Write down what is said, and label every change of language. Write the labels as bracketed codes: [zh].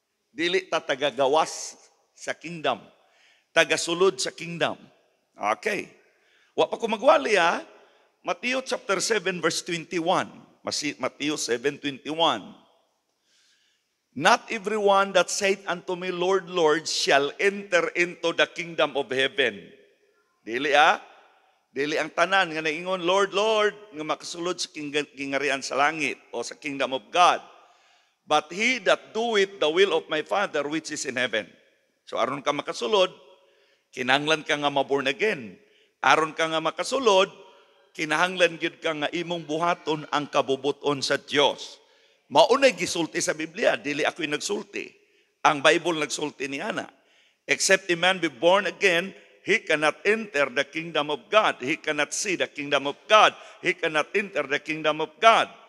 [ceb] Dili ta tagagawas sa kingdom. Tagasulod sa kingdom. Okay. Wa pa ko magwali ha. Matthew chapter 7 verse 21. Matthew 7:21. [en] Not everyone that saith unto me, Lord, Lord, shall enter into the kingdom of heaven. [ceb] Dili ha? Dili ang tanan nga naingon, Lord, Lord, nga makasulod sa kingarian sa langit o sa [en] kingdom of God. But he that doeth the will of my Father which is in heaven. [ceb] So aron ka makasulod, kinanglan ka nga maborn again. Aron ka nga makasulod, kinahanglan gyud ka nga imong buhaton ang kabubuton sa Dios. Maunay gisulti sa Biblia, dili ako'y nagsulti. Ang Bible nagsulti ni Ana. [en] Except a man be born again, he cannot enter the kingdom of God. He cannot see the kingdom of God. He cannot enter the kingdom of God.